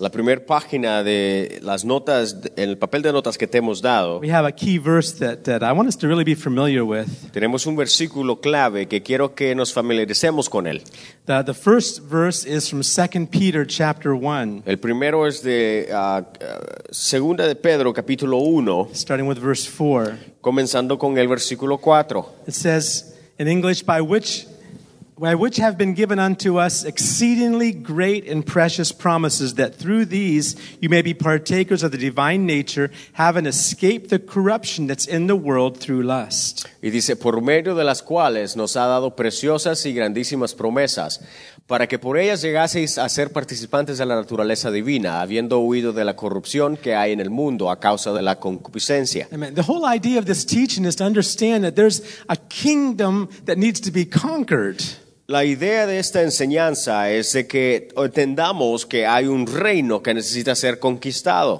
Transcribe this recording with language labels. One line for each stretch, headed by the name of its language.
Spanish: La primera página de las notas, el papel de notas que te hemos dado.
English: We have a key verse that I want us to really be familiar with.
Spanish: Tenemos un versículo clave que quiero que nos familiaricemos con él.
English: The first verse is from 2 Peter chapter 1.
Spanish: El primero es de Segunda de Pedro capítulo 1.
English: Starting with verse 4.
Spanish: Comenzando con el versículo 4.
English: It says in English, by which have been given unto us exceedingly great and precious promises, that through these you may be partakers of the divine nature, having escaped the corruption that's in the world through lust.
Spanish: Y dice, por medio de las cuales nos ha dado preciosas y grandísimas promesas, para que por ellas llegaseis a ser participantes de la naturaleza divina, habiendo huido de la corrupción que hay en el mundo a causa de la concupiscencia. Amen.
English: The whole idea of this teaching is to understand that there's a kingdom that needs to be conquered.
Spanish: La idea de esta enseñanza es de que entendamos que hay un reino que necesita ser conquistado.